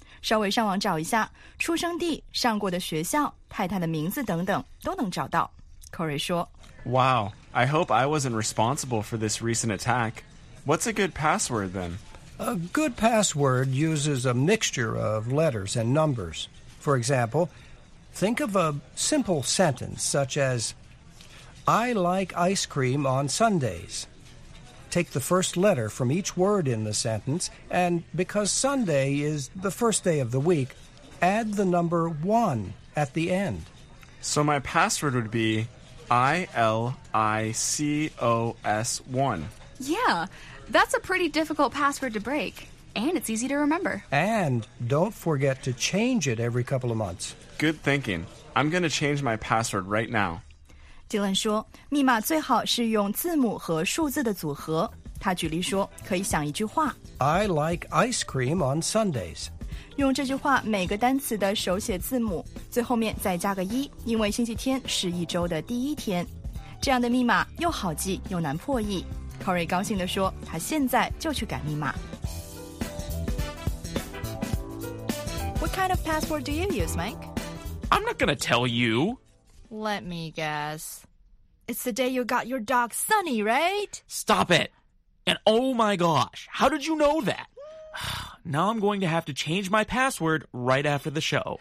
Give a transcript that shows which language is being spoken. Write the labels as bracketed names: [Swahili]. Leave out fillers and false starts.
[Chinese] 稍微上网找一下，出生地、上过的学校、太太的名字等等，都能找到。 Corey 说 [English] ，Wow, I hope I wasn't responsible for this recent attack. What's a good password then? A good password uses a mixture of letters and numbers. For example, think of a simple sentence such as. I like ice cream on Sundays. Take the first letter from each word in the sentence, and because Sunday is the first day of the week, add the number one at the end. So my password would be ILICOS1. Yeah, that's a pretty difficult password to break, and it's easy to remember. And don't forget to change it every couple of months. Good thinking. I'm going to change my password right now. [Chinese] Dylan 说，密码最好是用字母和数字的组合。他举例说，可以想一句话 [English] I like ice cream on Sundays. [Chinese] 用这句话每个单词的手写字母，最后面再加个一，因为星期天是一周的第一天。这样的密码又好记又难破译。Corey 高兴地说，他现在就去改密码。 [English] What kind of password do you use, Mike? I'm not going to tell you. Let me guess. It's the day you got your dog, Sunny, right? Stop it! And oh my gosh, how did you know that? Now I'm going to have to change my password right after the show.